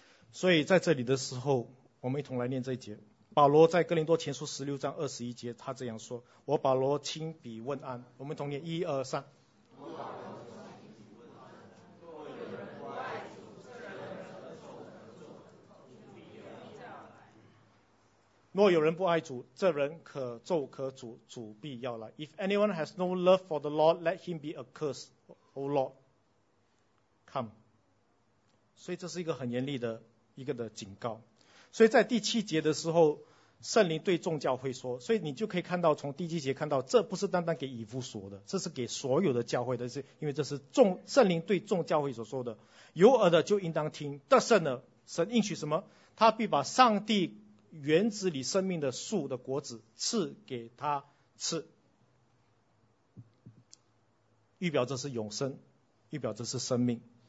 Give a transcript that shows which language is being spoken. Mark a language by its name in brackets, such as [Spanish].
[Chinese] 所以在这里的时候，我们一同来念这一节。保罗在哥林多前书16章21节，他这样说：我保罗亲笔问安。我们同念一二三。若有人不爱主，这人可咒可诅，主必要来。 [English] If anyone has no love for the Lord, let him be accursed, O Lord, come. [Chinese] 所以这是一个很严厉的一个的警告。所以在第七节的时候，圣灵对众教会说，所以你就可以看到，从第七节看到，这不是单单给以弗所的，这是给所有的教会的，是因为这是众圣灵对众教会所说的。有耳的就应当听，得胜了，神应许什么？他必把上帝园子里生命的树的果子赐给他吃，预表这是永生，预表这是生命。